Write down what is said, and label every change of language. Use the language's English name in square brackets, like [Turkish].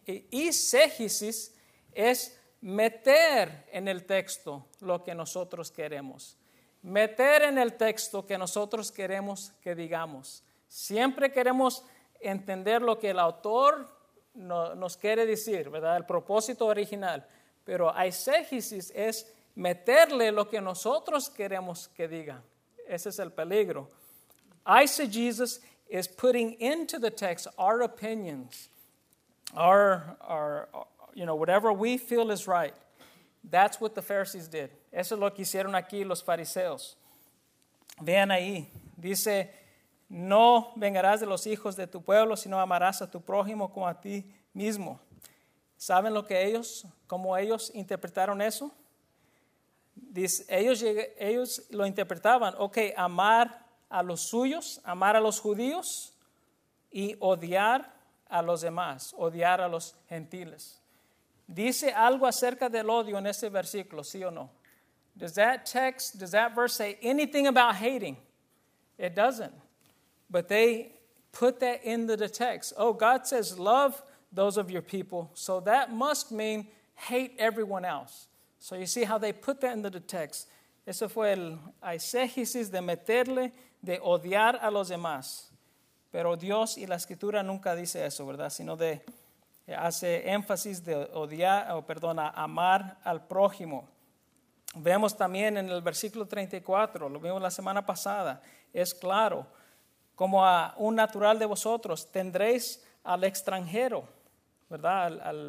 [Spanish] Eisegesis es meter en el texto lo que nosotros queremos. Meter en el texto que nosotros queremos que digamos. Siempre queremos entender lo que el autor nos quiere decir, ¿verdad? El propósito original. Pero aiségesis es meterle lo que nosotros queremos que diga. Ese es el peligro. [English] Eisegesis is putting into the text our opinions, our whatever we feel is right. That's what the Pharisees did. [Spanish] Eso es lo que hicieron aquí los fariseos. Vean ahí, dice, no vengarás de los hijos de tu pueblo, sino amarás a tu prójimo como a ti mismo. ¿Saben lo que ellos, cómo ellos interpretaron eso? Dice, ellos lo interpretaban, ok, amar a los suyos, amar a los judíos y odiar a los demás, odiar a los gentiles. ¿Dice algo acerca del odio en este versículo, sí o no? [English] Does that verse say anything about hating? It doesn't. But they put that into the text. Oh, God says love those of your people, so that must mean hate everyone else. So you see how they put that into the text. [Spanish] Eso fue el aiségesis de meterle, de odiar a los demás. Pero Dios y la Escritura nunca dice eso, ¿verdad? Sino de hace énfasis de odiar, o perdona, amar al prójimo. Vemos también en el versículo 34, lo vimos la semana pasada, es claro, como a un natural de vosotros, tendréis al extranjero, ¿verdad?